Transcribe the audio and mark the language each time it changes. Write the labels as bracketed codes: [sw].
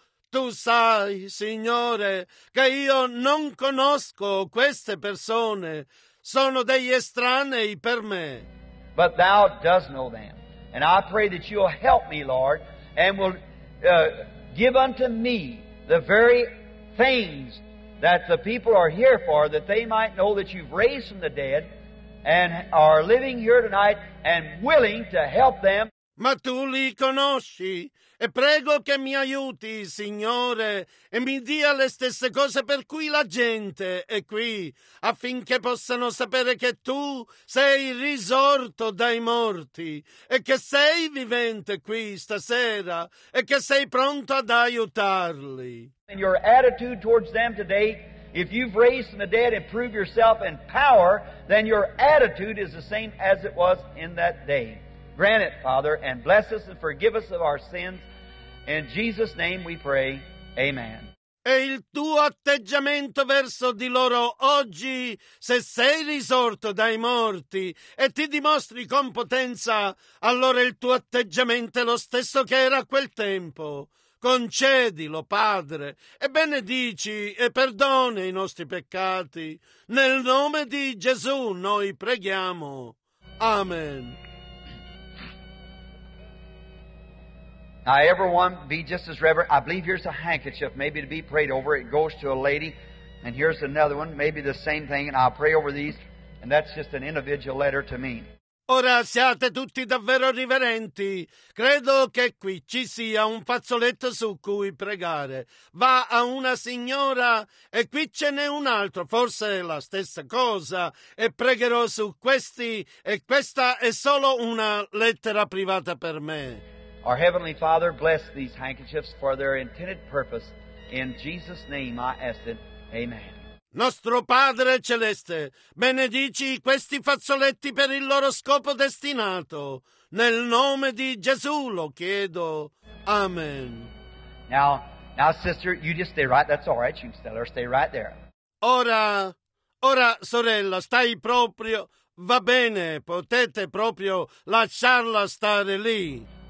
[it] Tu sai, Signore, che io non conosco queste persone. Sono degli estranei per me. [en] But Thou dost know them. And I pray that You'll help me, Lord, and will give unto me the very things that the people are here for, that they might know that You've raised from the dead and are living here tonight and willing to help them. [it] Ma Tu li conosci, e prego che mi aiuti, Signore, e mi dia le stesse cose per cui la gente è qui, affinché possano sapere che Tu sei risorto dai morti, e che sei vivente qui stasera, e che sei pronto ad aiutarli. [en] And your attitude towards them today, if you've raised from the dead and prove yourself in power, then your attitude is the same as it was in that day. Grant it, Father, and bless us and forgive us of our sins. In Jesus' name we pray. Amen. [it] E il tuo atteggiamento verso di loro oggi, se sei risorto dai morti e ti dimostri con potenza, allora il tuo atteggiamento è lo stesso che era a quel tempo. Concedilo, Padre, e benedici e perdona i nostri peccati. Nel nome di Gesù noi preghiamo. Amen. [en] Now, everyone, be just as reverent. I believe here's a handkerchief maybe to be prayed over. It goes to a lady, and here's another one, maybe the same thing, and I'll pray over these, and that's just an individual letter to me. [it] Ora siate tutti davvero riverenti. Credo che qui ci sia un fazzoletto su cui pregare. Va a una signora, e qui ce n'è un altro, forse è la stessa cosa, e pregherò su questi, e questa è solo una lettera privata per me. [en] Our Heavenly Father, bless these handkerchiefs for their intended purpose. In Jesus' name I ask it. Amen. [it] Nostro Padre Celeste, benedici questi fazzoletti per il loro scopo destinato. Nel nome di Gesù lo chiedo. Amen. [en] Now, sister, you just stay right. That's all right. You can stay right there. [it] Ora, Ora, sorella, stai proprio... Va bene, potete proprio lasciarla stare lì.